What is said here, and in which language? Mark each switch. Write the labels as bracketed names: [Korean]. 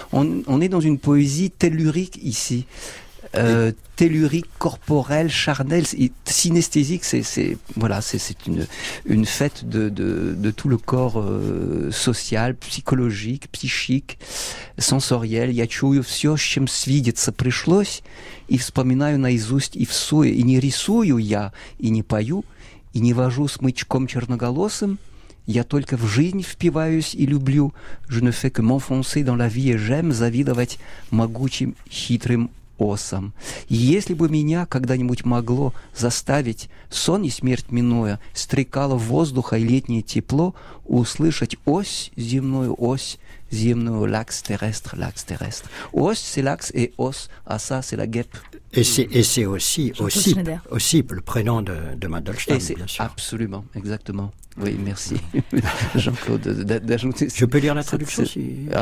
[French] On est dans une poésie tellurique ici. Tellurique, corporelle, charnelle, synesthésique, c'est une fête de tout le corps social, psychologique, psychique, sensoriel. [Russian] Я чую всё, чем свидеться пришлось, и вспоминаю наизусть и всуе, и не рисую я, и не пою, и не вожу смычком черноголосым. Я только в жизнь впиваюсь и люблю. [French] Je ne fais que m'enfoncer dans la vie et j'aime [Russian] завидовать могучим, хитрым осом. Если бы меня когда-нибудь могло заставить сон и смерть минуя, стрекало воздуха и летнее тепло, услышать ось, земную лакс-терестр. [French] Ось, c'est l'axe, et os, оса, c'est la guêpe. Et c'est aussi, aussi le prénom de Mandelstam, bien sûr. Absolument, exactement. Oui, merci, Jean-Claude, d'ajouter. Je peux lire la traduction si,